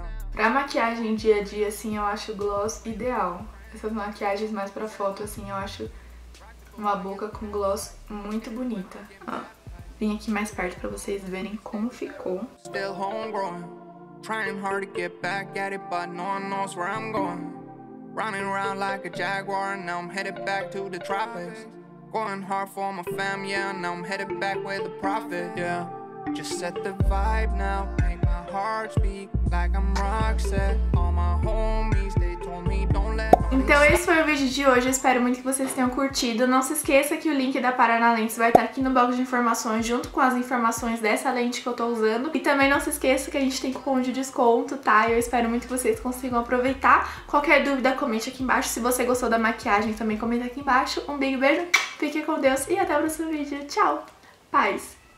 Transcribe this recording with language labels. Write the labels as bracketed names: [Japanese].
[Portuguese] Pra maquiagem dia a dia, assim, eu acho o gloss ideal. Essas maquiagens mais pra foto, assim, eu acho uma boca com gloss muito bonita. Ó. Vim aqui mais perto pra vocês verem como ficou. [English] Still homegrown, trying hard to get back at it, but no one knows where I'm going. Running around like a jaguar, now I'm headed back to the tropics. Going hard for my fam, yeah, now I'm headed back with the profit, yeah. Just set the vibe now, make my heart speak like I'm rock set. All my homies, they told me don't let. [Portuguese] Então esse foi o vídeo de hoje, eu espero muito que vocês tenham curtido. Não se esqueça que o link da Paranalens vai estar aqui no bloco de informações, junto com as informações dessa lente que eu tô usando. E também não se esqueça que a gente tem cupom de desconto, tá? Eu espero muito que vocês consigam aproveitar. Qualquer dúvida, comente aqui embaixo. Se você gostou da maquiagem, também comenta aqui embaixo. Um big beijo, fique com Deus e até o próximo vídeo. Tchau, paz!